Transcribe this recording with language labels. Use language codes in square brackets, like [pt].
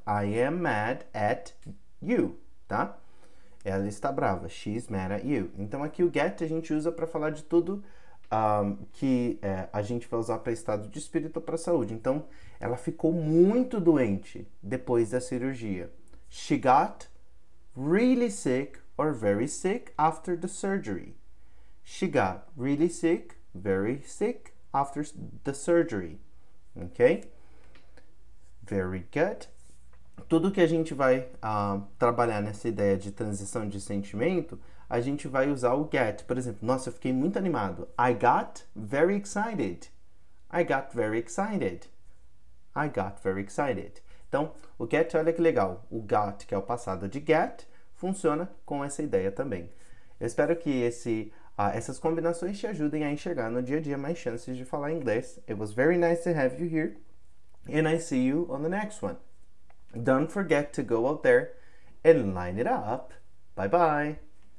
[en] I am mad at you, [pt] tá? Ela está brava. [en] She's mad at you. [pt] Então, aqui o get a gente usa para falar de tudo. A gente vai usar para estado de espírito ou para saúde. Então, ela ficou muito doente depois da cirurgia. [en] She got really sick or very sick after the surgery. She got really sick, very sick after the surgery. Ok? Very good. [pt] Tudo que a gente vai trabalhar nessa ideia de transição de sentimento, a gente vai usar o get. Por exemplo, nossa, eu fiquei muito animado. [en] I got very excited. I got very excited. I got very excited. [pt] Então, o get, olha que legal. O got, que é o passado de get, funciona com essa ideia também. Eu espero que essas combinações te ajudem a enxergar no dia a dia mais chances de falar inglês. [en] It was very nice to have you here. And I see you on the next one. Don't forget to go out there and line it up. Bye-bye.